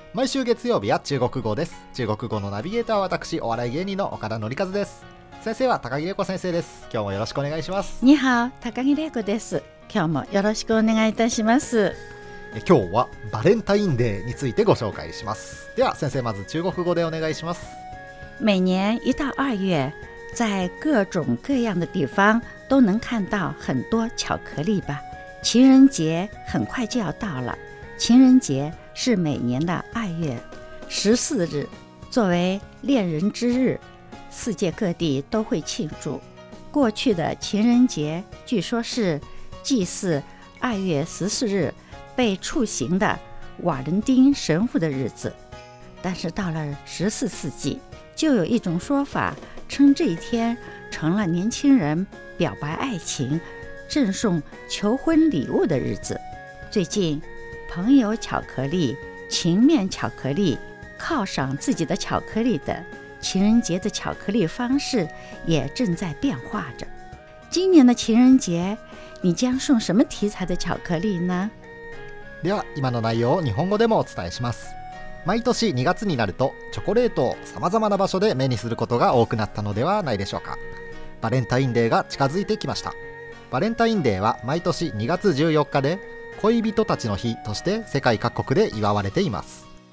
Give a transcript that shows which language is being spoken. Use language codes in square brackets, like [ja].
[ja] 毎週月曜日は中国語です。中国語のナビゲーターは私、お笑い芸人の岡田紀一です。先生は高木玲子先生です。今日もよろしくお願いします。 [zh] 你好、 [ja] 高木玲子です。今日もよろしくお願いいたします。今日はバレンタインデーについてご紹介します。では先生、まず中国語でお願いします。 [zh] 每年一到二月，在各种各样的地方都能看到很多巧克力吧。情人节很快就要到了，情人节是每年的二月十四日，作为恋人之日，世界各地都会庆祝。过去的情人节据说是祭祀二月十四日被处刑的瓦伦丁神父的日子，但是到了十四世纪，就有一种说法称这一天成了年轻人表白爱情、赠送求婚礼物的日子。最近，朋友巧克力、情面巧克力、犒赏自己的巧克力等情人节的巧克力方式也正在变化着。今年的情人节，你将送什么题材的巧克力呢？ [ja] では、今の内容を日本語でもお伝えします。毎年2月になるとチョコレートをさまざまな場所で目にすることが多くなったのではないでしょうか。バレンタインデーが近づいてきました。バレンタインデーは毎年2月14日で恋人たちの日として世界各国で祝われています。